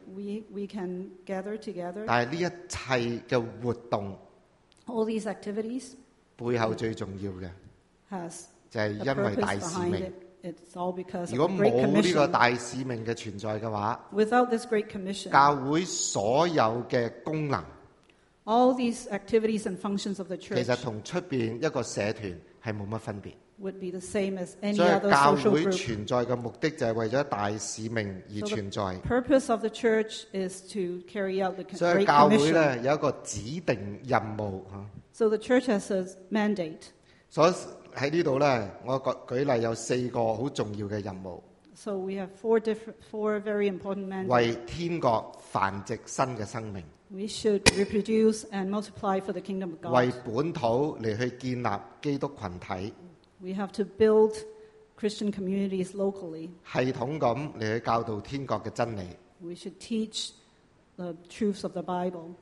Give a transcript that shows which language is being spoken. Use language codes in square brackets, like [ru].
[en] we can gather together. [yue] 但系呢一切嘅活动， [en] all these activities [yue] 背后最重要嘅， [en] has [yue] 就系因为大使命。 [en] It's all because [yue] 如果冇呢个大使命嘅存在嘅话， [en] without this great commission, [yue] 教会所有嘅功能。 [en] All these activities and functions of the church [yue] 其实同出边一个社团系冇乜分别。 [en] Would be the same as any other social group. [yue] 所以教会存在嘅目的就系为咗大使命而存在。 [en] So the purpose of the church is to carry out the great commission. [yue] 所以教会咧有一个指定任务吓。 [en] So the church has a mandate. [yue] 所以喺呢度咧，我举例有四个好重要嘅任务。 [en] So we have four very important mandates. [yue] 为天国繁殖新嘅生命。 [en] We should reproduce and multiply for the kingdom of God. [yue] 为本土嚟去建立基督群体。 [en] We have to build Christian communities locally. [yue] 系统咁嚟去教导天国嘅真理。 [en] We should teach the truths of the Bible.